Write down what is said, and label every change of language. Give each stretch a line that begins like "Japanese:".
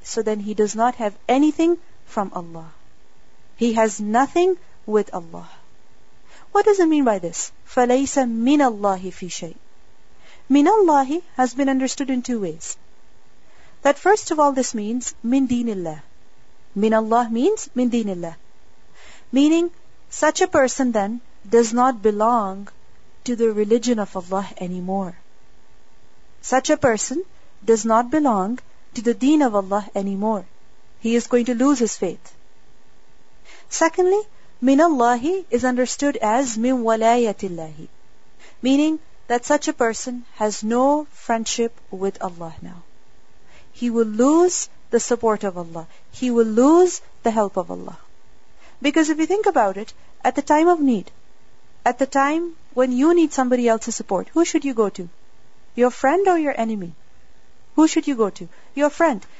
English: So then he does not have anything from Allah. He has nothing with Allah. What does it mean by this?
Arabic: فَلَيْسَ مِنَ اللَّهِ فِي شَيْءٍ. مِنَ اللَّهِ
English: has been understood in two ways. That first of all this means
Arabic: مِنْ دِينِ اللَّهِ. مِنَ اللَّهِ
English: means
Arabic: مِنْ دِينِ اللَّهِ.
English: Meaning, such a person then does not belong to the religion of Allah anymore. Such a person does not belong to the deen of Allah anymore. He is going to lose his faith. Secondly,
Arabic: مِنَ اللَّهِ
English: is understood as
Arabic: مِنْ وَلَايَةِ اللَّهِ.
English: Meaning that such a person has no friendship with Allah now. He will lose the support of Allah. He will lose the help of Allah. Because if you think about it, at the time of need, at the time when you need somebody else's support, who should you go to? Your friend or your enemy? Who should you go to? Your friend.